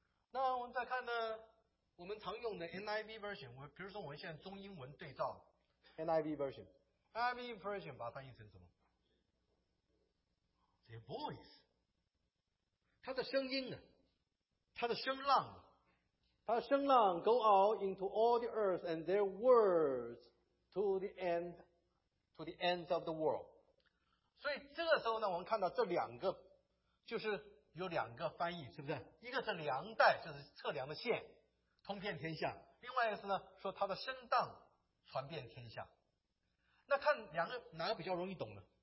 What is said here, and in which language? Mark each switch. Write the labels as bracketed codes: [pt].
[zh] 那我们再看呢，我们常用的 NIV version， 我比如说我们现在中英文对照 NIV version， NIV version 把它翻译成什么？ [en] Their voice， [zh] 它的声音呢，它的声浪，它的声浪 [en] go out into all the earth and their words to the end of the world。 [zh] 所以这个时候呢，我们看到这两个就是有两个翻译，是不是？一个是量带，就是测量的线，通遍天下；另外一个是呢，说他的声荡传遍天下。那看两个哪个比较容易懂呢？